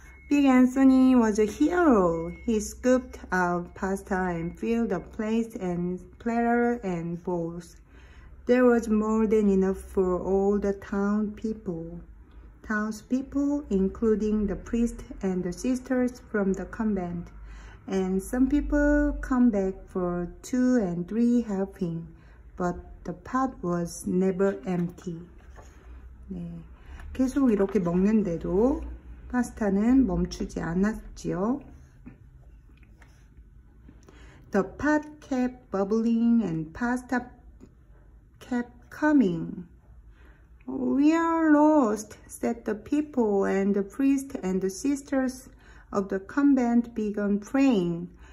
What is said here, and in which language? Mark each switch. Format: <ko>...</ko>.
<en>Big Anthony was a hero. He scooped out pasta and filled the plates and platters and bowls. There was more than enough for all the town people. townspeople, including the priest and the sisters from the convent. And some people come back for two and three helping, but the pot was never empty.</en> <ko>네. 계속 이렇게 먹는데도 파스타는 멈추지 않았지요.</ko> <en>The pot kept bubbling and pasta kept coming. We are lost, said the people, and the priest and the sisters of the convent began praying.</en>